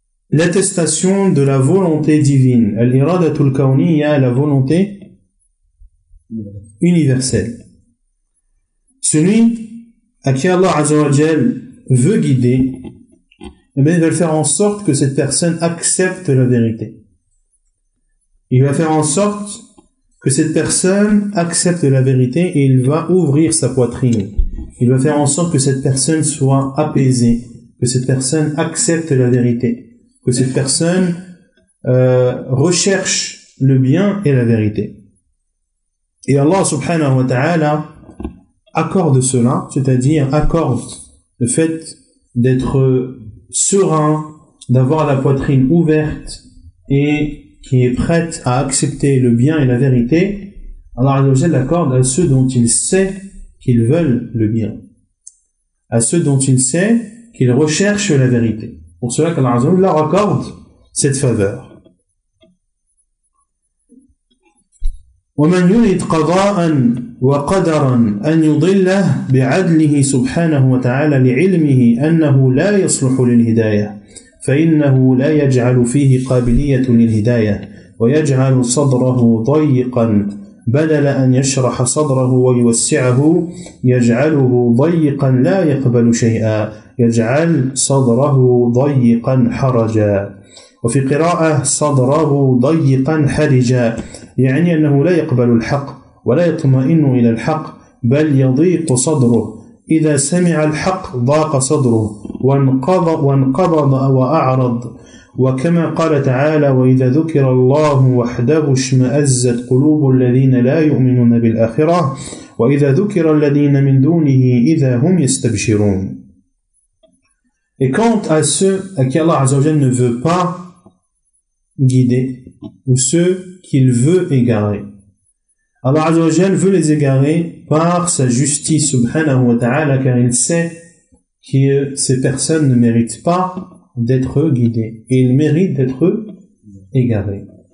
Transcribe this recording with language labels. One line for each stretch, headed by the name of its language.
French: l'attestation de la volonté divine al-iradatul kawniya, la volonté universelle celui à qui Allah Azza wa Jal veut guider et bien il va faire en sorte que cette personne accepte la vérité Il va faire en sorte que cette personne accepte la vérité et il va ouvrir sa poitrine. Il va faire en sorte que cette personne soit apaisée, que cette personne accepte la vérité, que cette personne recherche le bien et la vérité. Et Allah subhanahu wa ta'ala accorde cela, c'est-à-dire accorde le fait d'être serein, d'avoir la poitrine ouverte et qui est prête à accepter le bien et la vérité, Allah Azza wa Jalla l'accorde à ceux dont il sait qu'ils veulent le bien, à ceux dont il sait qu'ils recherchent la vérité. Pour cela qu'Allah Azza wa Jalla leur accorde cette faveur.
Arabic: وَمَنْ يُرِدْ قَضَاءً وَقَدَرًا أَنْ يُضِلَّهُ بِعَدْلِهِ سُبْحَانَهُ وَتَعَالَى لِعِلْمِهِ أَنَّهُ لَا يَصْلُحُ لِلْهِدَايَةِ فإنه لا يجعل فيه قابلية للهداية ويجعل صدره ضيقا بدل أن يشرح صدره ويوسعه يجعله ضيقا لا يقبل شيئا يجعل صدره ضيقا حرجا وفي قراءة صدره ضيقا حرجا يعني أنه لا يقبل الحق ولا يطمئن إلى الحق بل يضيق صدره إذا سمع الحق ضاق صدره وانقبض وأعرض وكما قال تعالى وإذا ذكر الله وحده اشمأزت قلوب الذين لا يؤمنون بالآخرة وإذا ذكر الذين من دونه إذا هم يستبشرون
French: Et quant à ceux à qui Allah Azza wa Jal ne veut pas guider ou ceux qu'il veut égarer. Allah Azza wa Jalla veut les égarer par sa justice subhanahu wa ta'ala, car il sait que ces personnes ne méritent pas d'être guidées. Et ils méritent d'être égarées.